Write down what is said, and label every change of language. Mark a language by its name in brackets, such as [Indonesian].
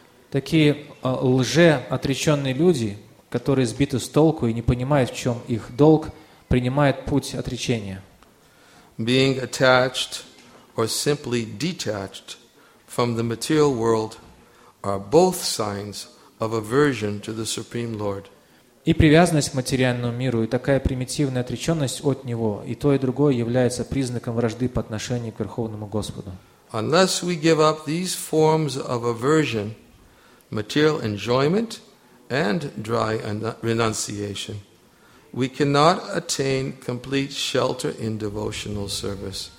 [Russian] Такие лжеотреченные люди, которые сбиты с толку и не понимают, в чем их долг, принимают путь отречения. [English] Being attached or simply detached from the material world are both signs of aversion to the Supreme Lord. [Russian] И привязанность к материальному миру, и такая примитивная отреченность от Него, и то, и другое является признаком вражды по отношению к Верховному Господу. [English] Unless we give up these forms of aversion, material enjoyment and dry renunciation, we cannot attain complete shelter in devotional service.